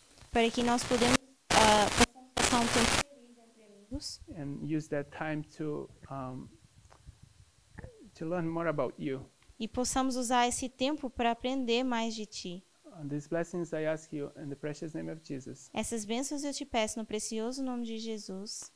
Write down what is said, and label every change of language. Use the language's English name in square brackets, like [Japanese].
[Portuguese] Para que nós possamos passar um tempo feliz entre amigos. [English] And use that time to learn more about you. [Portuguese] E possamos usar esse tempo para aprender mais de ti. [English] These blessings I ask you in the precious name of Jesus. [Portuguese] Essas bênçãos eu te peço no precioso nome de Jesus.